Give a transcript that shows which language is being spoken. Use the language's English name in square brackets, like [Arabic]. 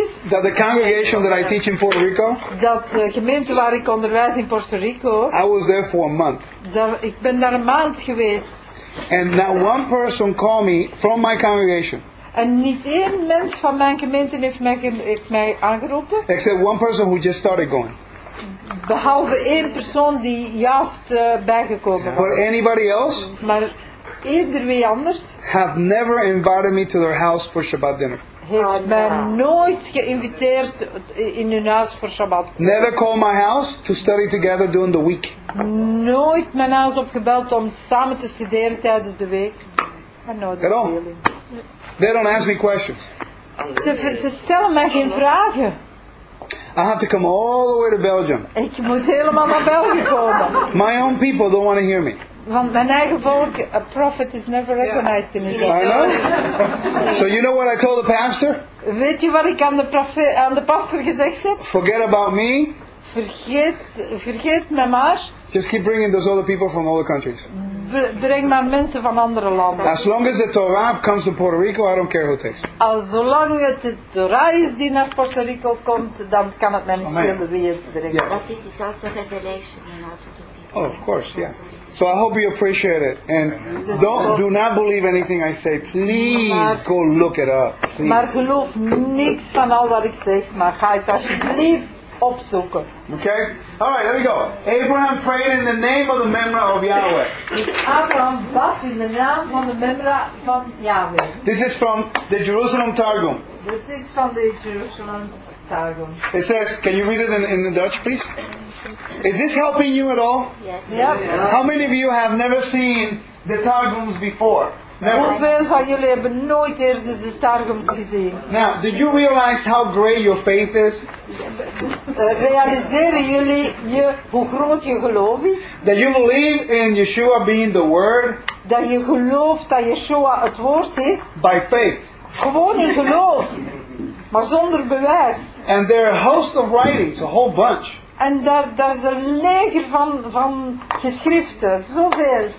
[English] That the congregation that I teach in Puerto Rico. [Dutch] Dat gemeente waar ik onderwijs in Puerto Rico. [English] I was there for a month. [Dutch] Ik ben daar een maand geweest. [English] And not one person called me from my congregation. [Dutch] En niet één mens van mijn gemeente heeft mij aangeroepen. [English] Except one person who just started going. [Dutch] Behalve één persoon die juist bijgekomen was. [English] But anybody else? [Dutch] Maar ieder wie anders? [English] Have never invited me to their house for Shabbat dinner. [Dutch] Heeft mij nooit geïnviteerd in hun huis voor Shabbat. [English] Never called my house to study together during the week. [Dutch] Nooit mijn huis opgebeld om samen te studeren tijdens de week. [English] At all. They don't ask me questions. [Dutch] Ze stellen mij geen vragen. [English] I have to come all the way to Belgium. [Dutch] Ik moet helemaal naar België komen. [English] My own people don't want to hear me. [Dutch] Want mijn eigen volk, [English] a prophet is never recognized in his own. I know. So you know what I told the pastor? [Dutch] Weet je wat ik aan de pastor gezegd heb? [English] Forget about me. [Dutch] Vergeet me maar. [English] Just keep bringing those other people from other countries. [Dutch] Breng maar mensen van andere landen. [English] As long as the Torah comes to Puerto Rico, I don't care who takes. [Dutch] Als zolang het de Torah is die naar Puerto Rico komt, dan kan het mij niet schelen wie het brengt. [English] But this is also revelation in order to Oh, of course, yeah. So I hope you appreciate it. And do not believe anything I say. Please go look it up. Please. [Dutch] Maar geloof niks van al wat ik zeg, maar ga het alsjeblieft opzoeken. [English] Okay? All right, let me go. Abraham prayed in the name of the Memra of Yahweh. Abraham bad in the name of the Memra van Yahweh. This is from the Jerusalem Targum. This is from the Jerusalem Targum. It says, can you read it in Dutch, please? Is this helping you at all? Yes. Yep. How many of you have never seen the Targums before? [Dutch] Hoeveel van jullie hebben nooit eerder de Targums gezien? [English] Now, did you realize how great your faith is? [Dutch] Realiseren jullie hoe groot je geloof is? [English] That you believe in Yeshua being the Word? [Dutch] Dat je gelooft dat Yeshua het woord is? [English] By faith. [Dutch] Gewoon in geloof, maar zonder bewijs. [English] And there are a host of writings, a whole bunch. [Dutch] En daar is een leger van geschriften, zoveel.